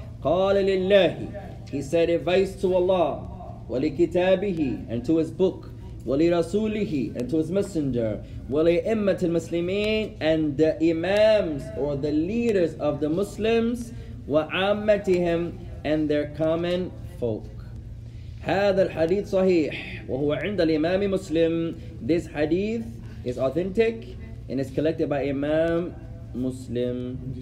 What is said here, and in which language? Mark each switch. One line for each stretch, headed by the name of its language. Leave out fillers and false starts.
Arabic: Qala lillahi,
English: he said advice to Allah.
Arabic: Wali kitabihi,
English: and to his book.
Arabic: Wali rasulihi,
English: and to his messenger.
Arabic: Wali immat al-muslimin,
English: and the imams, or the leaders of the Muslims.
Arabic: Wa ammatihim,
English: and their common folk.
Arabic: هذا الحديث صحيح وهو عند الإمام مسلم.
English: This hadith is authentic and is collected by Imam Muslim.